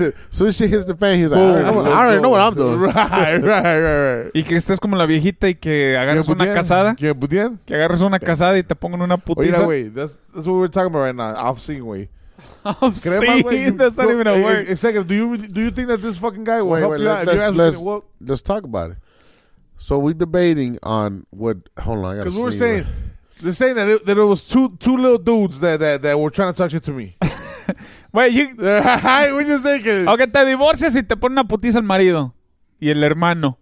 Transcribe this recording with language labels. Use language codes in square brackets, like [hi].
[en] So she hits the fan, he's like, I already know what I'm doing. Right. [es] Y que estés como la viejita y que agarres una casada. Que agarres una casada y te pongan una putiza. Oye, güey, [en] that's what we're talking about right now. Off scene, güey. Off scene? That's not even a word. A second, do you think that this fucking guy will help you out? Let's talk about it. So we're debating on what, hold on, I got to see. Because we're saying... They're saying that it was two little dudes that were trying to talk shit to me. Wait, you... we just thinking. [es] Okay, te divorcias y te ponen una putiza al marido y el hermano.